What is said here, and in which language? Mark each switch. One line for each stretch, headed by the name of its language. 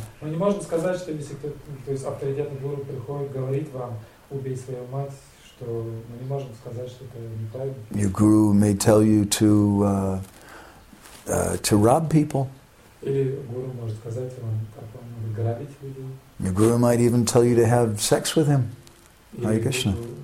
Russian: Мы не можем сказать, что если кто-то из авторитетных гуру приходит, говорит вам, убей свою мать, что мы не можем сказать, что это неправильно.
English: Your guru may tell you to rob people.
Russian: Или гуру может сказать вам, как вам надо грабить людей.
English: Your guru might even tell you to have sex with him. Hare Krishna.